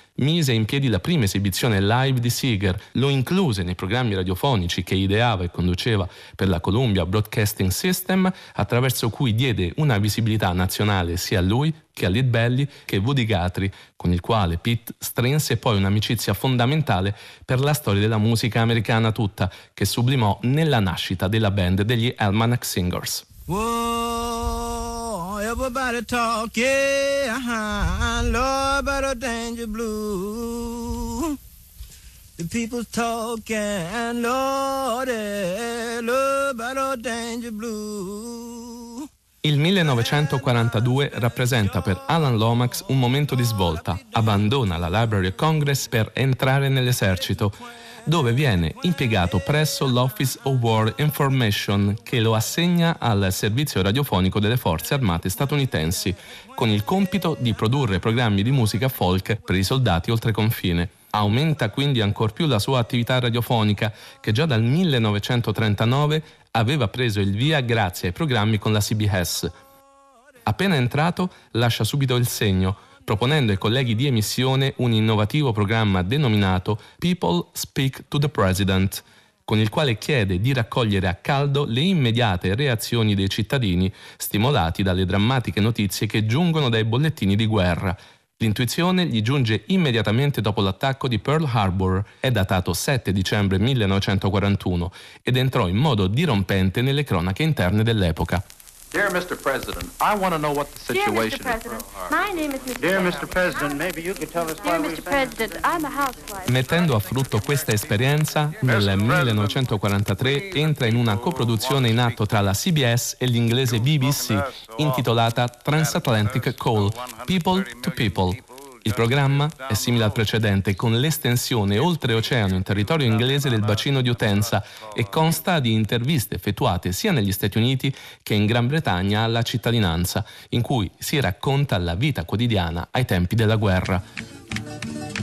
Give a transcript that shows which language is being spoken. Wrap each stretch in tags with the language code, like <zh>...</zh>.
<it>mise in piedi la prima esibizione live di Seeger, lo incluse nei programmi radiofonici che ideava e conduceva per la Columbia Broadcasting System, attraverso cui diede una visibilità nazionale sia a lui che a Lead Belly che Woody Guthrie, con il quale Pete strinse poi un'amicizia fondamentale per la storia della musica americana tutta, che sublimò nella nascita della band degli Almanac Singers.</it> <en>Everybody talk, yeah, Lord, about a danger blue. The people talk, and Lord, Lord, about a danger blue.</en> <it>Il 1942 rappresenta per Alan Lomax un momento di svolta. Abbandona la Library of Congress per entrare nell'esercito, dove viene impiegato presso l'Office of War Information, che lo assegna al servizio radiofonico delle forze armate statunitensi, con il compito di produrre programmi di musica folk per i soldati oltre confine. Aumenta quindi ancor più la sua attività radiofonica, che già dal 1939 aveva preso il via grazie ai programmi con la CBS. Appena entrato, lascia subito il segno, proponendo ai colleghi di emissione un innovativo programma denominato People Speak to the President, con il quale chiede di raccogliere a caldo le immediate reazioni dei cittadini, stimolati dalle drammatiche notizie che giungono dai bollettini di guerra. L'intuizione gli giunge immediatamente dopo l'attacco di Pearl Harbor, è datato 7 dicembre 1941, ed entrò in modo dirompente nelle cronache interne dell'epoca.</it> <en>Dear Mr. President, I want to know what the situation is. President, my name is Mrs. Dear Mr. President, maybe you could tell us why we're saying. Dear Mr. President, I'm a housewife.</en> <it>Mettendo a frutto questa esperienza, nel 1943 entra in una coproduzione in atto tra la CBS e l'inglese BBC, intitolata Transatlantic Call, People to People. Il programma è simile al precedente, con l'estensione oltreoceano in territorio inglese del bacino di utenza, e consta di interviste effettuate sia negli Stati Uniti che in Gran Bretagna alla cittadinanza, in cui si racconta la vita quotidiana ai tempi della guerra.</it>